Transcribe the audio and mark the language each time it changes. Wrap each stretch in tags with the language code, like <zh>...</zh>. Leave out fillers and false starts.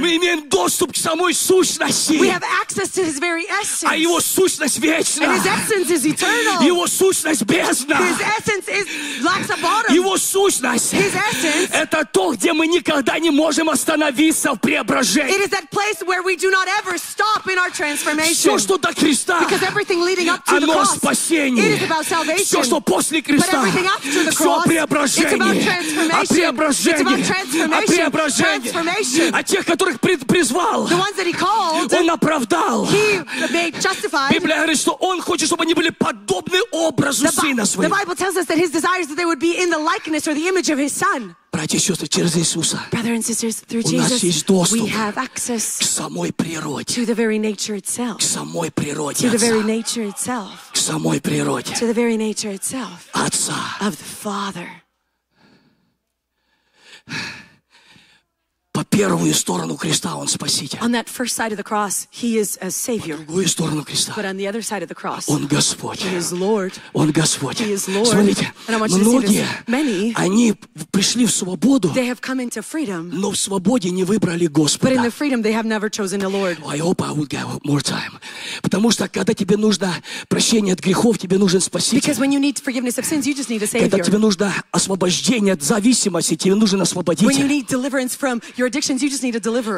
<ru>Мы имеем доступ к самой сущности.</ru> <en>We have access to his very essence.</en> <ru>А его сущность вечна.</ru> <en>And his essence is eternal.</en> <ru>Его сущность бездна.</ru> <en>His essence is lacks a bottom.</en> <ru>Его сущность.</ru> <en>His essence.</en> <ru>Это то, где мы никогда не можем остановиться в преображении.</ru> <en>It is that place where we do not ever stop in our transformation.</en> <ru>Все, что до креста.</ru> <en>Because everything leading up to</en> <ru>оно</ru> <en>the cross.</en> <ru>Спасение.</ru> <en>It is about salvation.</en> <ru>Все, что после креста.</ru> <en>But everything after the cross.</en> <ru>Все преображение.</ru> <en>It's about transformation.</en> <ru>О преображении.</ru> <en>It's about transformation.</en> <ru>О преображении.</ru> <en>Transformation.</en> <ru>О тех, которых призвал.</ru> <en>The ones that he called.</en> <ru>Он оправдал.</ru> <en>He made justified.</en> <ru>Библия говорит, что он хочет, чтобы они были подобны образу.</ru> <en>The Bible tells us that his desire is that they would be in the likeness or the image of his son.</en> <ru>Братья и сестры, через Иисуса.</ru> <en>Brothers and sisters, through Jesus, we have access</en> <ru>к самой природе.</ru> <en>To the very nature itself.</en> <ru>К самой природе.</ru> <en>To the very nature itself.</en> <ru>К самой природе.</ru> <en>To the very nature itself.</en> <ru>Отца.</ru> <en>Of the Father.</en> <ru>По первую сторону креста он спаситель.</ru> <en>On that first side of the cross, he is a savior.</en> <ru>По другую сторону креста.</ru> <en>But on the other side of the cross,</en> <ru>он Господь.</ru> <en>He is Lord.</en> <ru>Он Господь.</ru> <en>He is Lord.</en> <ru>Смотрите, многие,</ru> <en>many,</en> <ru>они пришли в свободу,</ru> <en>they have come into freedom,</en> <ru>но в свободе не выбрали Господа.</ru> <en>But in the freedom, they have never chosen the Lord. I hope I will get more time.</en> <ru>Потому что когда тебе нужно прощение от грехов, тебе нужен спаситель.</ru> <en>Because when you need forgiveness of sins, you just need a savior.</en> <ru>Когда тебе нужно освобождение от зависимости, тебе нужен освободитель.</ru> <en>When you need deliverance from your addictions, you just need a deliverer.</en>